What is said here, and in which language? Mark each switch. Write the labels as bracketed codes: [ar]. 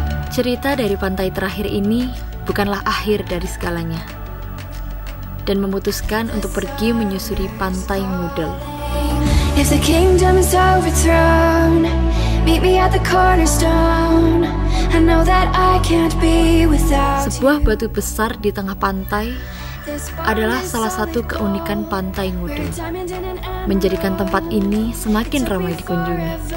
[id] Cerita dari pantai terakhir ini bukanlah akhir dari segalanya, dan memutuskan untuk pergi menyusuri pantai Mudel. [en] If the kingdom is overthrown, meet me at the cornerstone. I know that I can't be without. [id] Sebuah batu besar di tengah pantai adalah salah satu keunikan pantai Mudel, menjadikan tempat ini semakin ramai dikunjungi.